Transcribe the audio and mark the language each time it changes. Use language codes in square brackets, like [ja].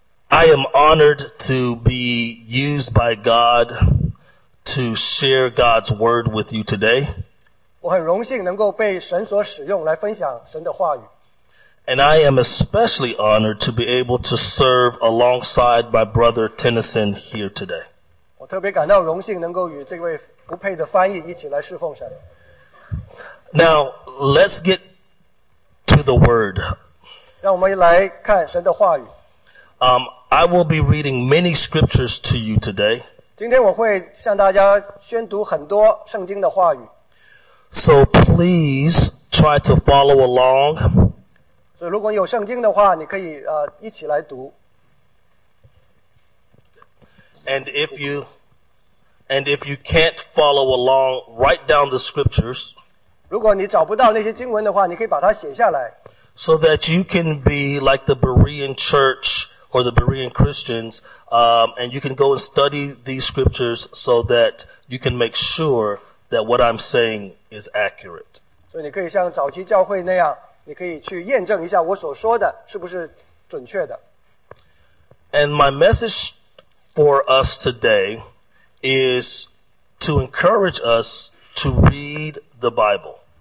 [en] I am honored to be used by God to share God's word with you today. [zh] 我很荣幸能够被神所使用来分享神的话语。 [en] And I am especially honored to be able to serve alongside my brother Tennyson here today. [zh] 我特别感到荣幸能够与这位不配的翻译一起来侍奉神。 [en] Now, let's get to the word. [zh] 让我们来看神的话语。 [en] I will be reading many scriptures to you today. [zh] 今天我会向大家宣读很多圣经的话语。 [en] So please try to follow along. [zh] 所以如果有圣经的话，你可以 一起来读。 [en] And if you can't follow along, write down the scriptures. [zh] 如果你找不到那些经文的话，你可以把它写下来。 [en] So that you can be like the Berean church or the Berean Christians, and you can go and study these scriptures so that you can make sure that what I'm saying is accurate. [zh] 所以你可以像早期教会那样，你可以去验证一下我所说的是不是准确的。 [en] And my message for us today is to encourage us to read the Bible.